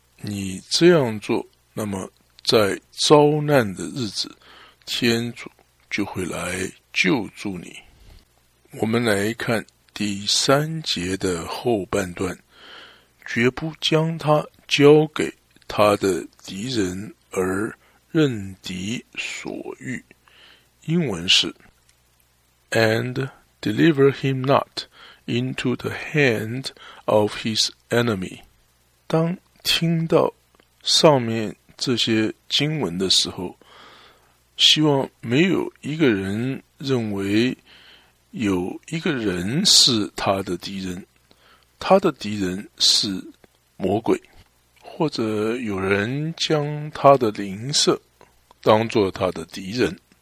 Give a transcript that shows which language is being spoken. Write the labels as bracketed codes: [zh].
[zh] 你这样做，那么在遭难的日子，天主就会来救助你。我们来看第三节的后半段，绝不将他交给他的敌人而任敌所欲。 [en] 英文是 And deliver him not into the hand of his enemy。 [zh] 当听到上面这些经文的时候，希望没有一个人认为有一个人是他的敌人，他的敌人是魔鬼，或者有人将他的邻舍当作他的敌人。